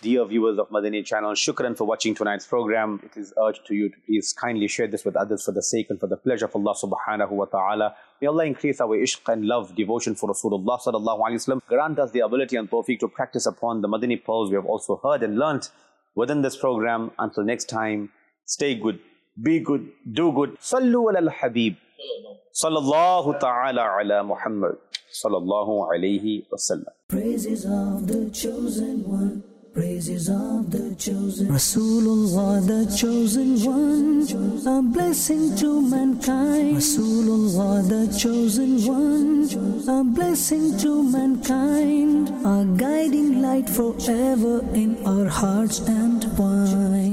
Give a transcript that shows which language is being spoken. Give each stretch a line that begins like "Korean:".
English: Dear viewers of Madani channel, shukran for watching tonight's program. It is urged to you to please kindly share this with others for the sake and for the pleasure of Allah subhanahu wa ta'ala. May Allah increase our ishq and love, devotion for Rasulullah sallallahu alayhi wa sallam. Grant us the ability and tawfiq to practice upon the Madani pearls we have also heard and learnt within this program. Until next time, stay good, be good, do good. Sallu ala al-habib.
Arabic: صلی اللہ تعالی علی محمد صلی اللہ علیہ وسلم
English: praises of the chosen one praises of the chosen رسول اللہ the chosen one a blessing to mankind رسول اللہ the chosen one a blessing to mankind a guiding light forever in our hearts and minds